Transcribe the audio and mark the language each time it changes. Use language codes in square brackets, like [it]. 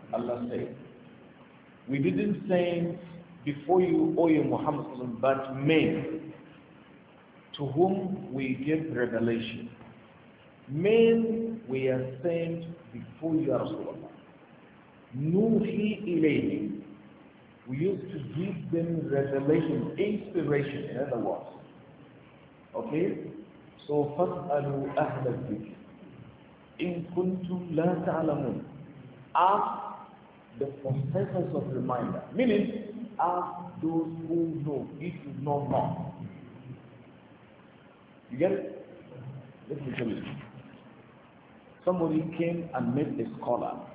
[en] Allah said, we didn't send before you, O Muhammad, but men to whom we give revelation. Men we have sent before you, Rasulullah. [ar] نُوحِي إِلَيْهِمْ. [en] We used to give them revelation, inspiration, in other words. Okay, so [ar] فَاسْأَلُوا أَهْلَ الذِّكْرِ إِن كُنْتُمْ لَا تَعْلَمُونَ. [en] Ask the possessors of reminder, meaning ask those who know, if you know not. You get it? Let me tell you. Somebody came and met a scholar.